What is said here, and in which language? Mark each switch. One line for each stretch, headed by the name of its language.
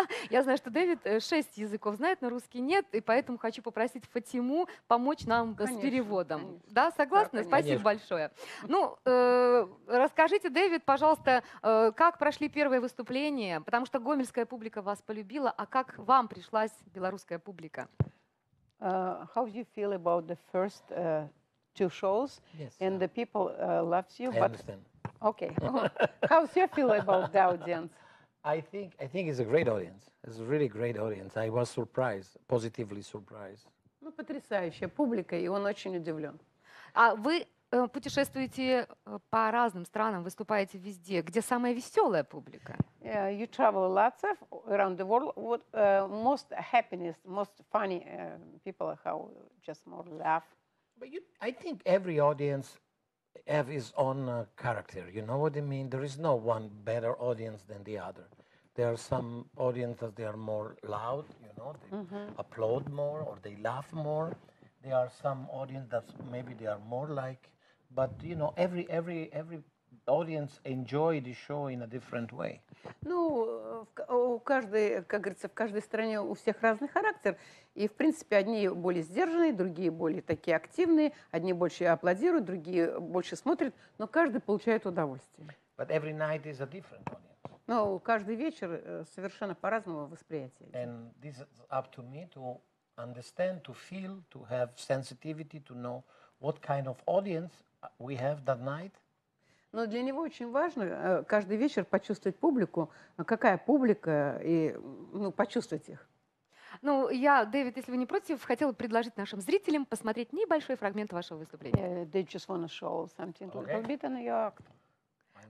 Russian: Я знаю, что Дэвид 6 языков знает, но русский нет, и поэтому хочу попросить Фатиму помочь нам с переводом. Да, согласна? Спасибо большое. Ну, расскажите, Дэвид, пожалуйста, как прошли первые выступления, потому что гомельская публика вас полюбила, а как вам пришлась белорусская публика?
English: How do you feel about the first two shows? Yes, and the people loves you. I understand. Okay. How's your feel about the audience? I think it's a great audience. It's a really great audience. I was surprised, positively surprised.
Russian: Ну, потрясающая публика, и он очень удивлен. А вы путешествуете по разным странам, выступаете везде. Где самая веселая публика?
English: Yeah, you travel lots of around the world. What most happiness, most funny people, how just more laugh. But you, I think every audience have his own character. You know what I mean? There is no one better audience than the other. There are some audiences, they are more loud, you know, they mm-hmm. applaud more or they laugh more. There are some audience that maybe they are more like, but you know, every audience enjoy the show in a different way.
Russian: Ну, у каждой, как говорится, в каждой стране у всех разный характер. И, в принципе, одни более сдержанные, другие более такие активные, одни больше аплодируют, другие больше смотрят, но каждый получает удовольствие.
English: But every night is a different audience.
Russian: Но каждый вечер совершенно по-разному восприятие.
English: And this is up to me to understand, to feel, to have sensitivity, to know what kind of audience we have that night.
Russian: Но для него очень важно каждый вечер почувствовать публику, какая публика, и ну, почувствовать их. Ну, я, Дэвид, если вы не против, хотела предложить нашим зрителям посмотреть небольшой фрагмент вашего выступления.
English: They just want to show something a little bit on your act.